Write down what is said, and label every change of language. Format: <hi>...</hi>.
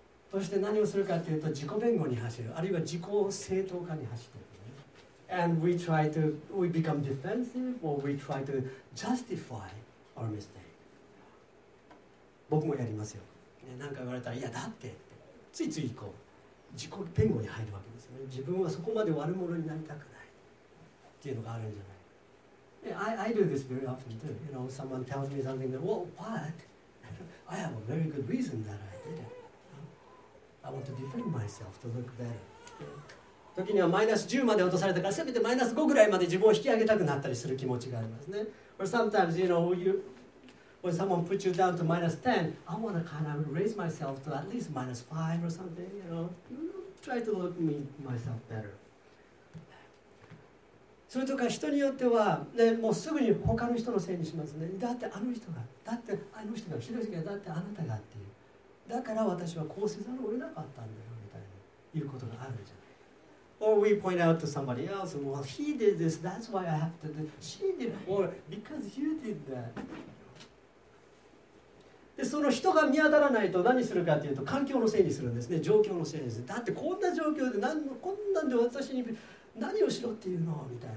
<ja>そして何をするかというと自己弁護に走る、あるいは自己正当化に走る。</ja> <en>And we try to, we become defensive or we try to justify our mistake.</en> <ja>僕もやりますよ。何か言われたら、いやだって、ついついこう、自己弁護に入るわけですよね。自分はそこまで悪者になりたくない。っていうのがあるんじゃない。</ja> <en>I do this very often too. You know, someone tells me something that, well, but I have a very good reason that I did it. I want to defend myself to look better.</en> <ja>時にはマイナス10まで落とされたから、せめてマイナス5ぐらいまで自分を引き上げたくなったりする気持ちがありますね。</ja> <en>Or sometimes, you know, when someone puts you down to minus 10, I want to kind of raise myself to at least minus 5 or something, you know. Try to look me myself better.</en> <ja>それとか人によっては、ね、もうすぐに他の人のせいにしますね。だってあの人が、だってあの人が、ひどい人がだってあなたがっていう。だから私はこうせざるを得なかったんだよみたいな言うことがあるじゃない。</ja> <en>Or we point out to somebody else, well, he did this, that's why I have to do this. She did, or because you did that.</en> <ja>でその人が見当たらないと何するかっていうと、環境のせいにするんですね。状況のせいです。だってこんな状況で、こんなんで私に、何をしろっていうのみたいな。</ja>